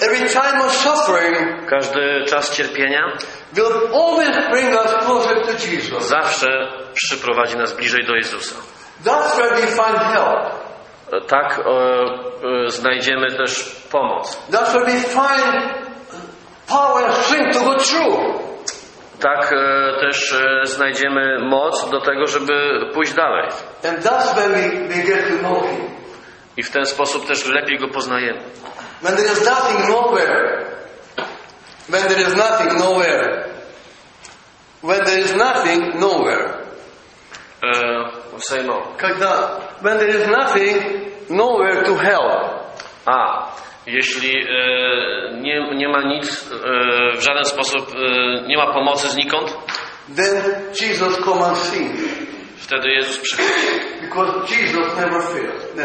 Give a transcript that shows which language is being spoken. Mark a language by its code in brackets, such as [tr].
[en] every time of suffering, [pl] każdy czas cierpienia, [en] will always bring us closer to Jesus. [pl] Zawsze przyprowadzi nas bliżej do Jezusa. [en] That's where we find help. [pl] Tak znajdziemy też pomoc. [en] That's where we find power and strength to go through. [pl] Tak też znajdziemy moc do tego, żeby pójść dalej. [en] And that's when we get to know him. [pl] I w ten sposób też lepiej go poznajemy. [en] When there is nothing nowhere. When there is nothing nowhere. When there is nothing nowhere. Say no. When there is nothing, nowhere to help. [pl] A jeśli nie ma nic, w żaden sposób nie ma pomocy znikąd, [en] then Jesus come and see. [pl] Wtedy Jezus przychodzi. [en] Because Jesus never fails.